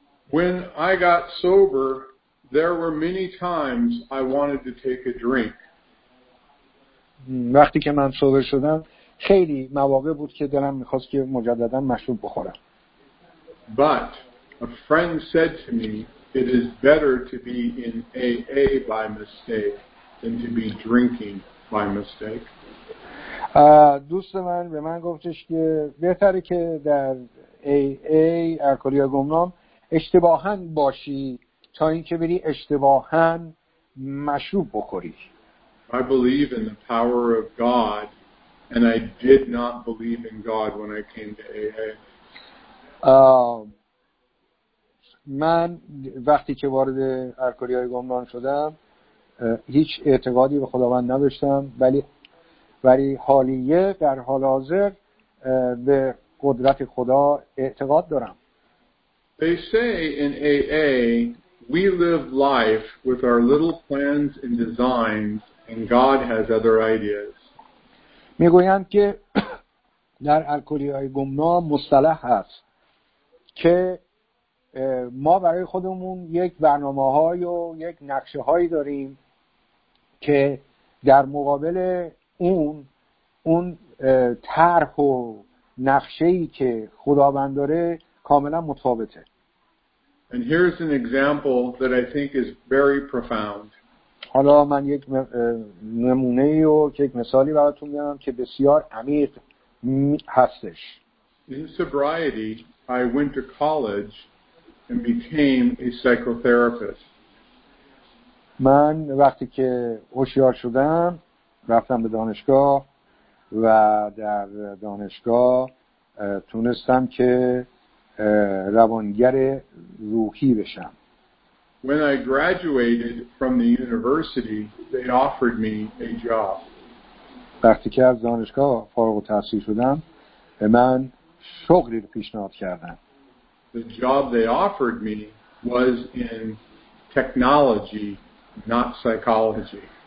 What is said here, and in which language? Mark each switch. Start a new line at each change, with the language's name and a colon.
English: When I got sober, there were many times I wanted to take a drink.
Persian: وقتی که من سوبر شدم خیلی مواقع بود که دلم میخواست که مجدداً مشروب بخورم.
English: But a friend said to me, it is better to be in AA by mistake than to be drinking by mistake.
Persian: دوست من به من گفتش که بهتره که در AA الکلی گمنام اشتباهاً باشی تا اینکه بری اشتباهاً مشروب بخوری.
English: I believe in the power of God, and I did not believe in God when I came to AA.
Persian: من وقتی که وارد الکلی‌های گمنام شدم هیچ اعتقادی به خداوند نداشتم، ولی حالیه در حال حاضر به قدرت خدا اعتقاد دارم.
English: They say in AA we live life with our little plans and designs and God has other ideas.
Persian: میگویند که در الکلی‌های گمنام مصطلح هست که ما برای خودمون یک برنامه‌های و یک نقشه‌هایی داریم که در مقابل اون طرح و نقشه‌ای که خداوند داره کاملا متفاوته.
English: And here's an example that I think is very profound.
Persian: حالا من یک نمونه و یک مثالی براتون میارم که بسیار عمیق هستش.
English: In sobriety, I went to college and became a psychotherapist.
Persian: من وقتی که هوشیار شدم رفتم به دانشگاه و در دانشگاه تونستم که روانگر روحی بشم.
English: When I graduated from the university, they offered me a job.
Persian: وقتی که از دانشگاه فارغ التحصیل شدم به من شغلی رو پیشنهاد کردن.
English: The job they offered me was in technology, not psychology.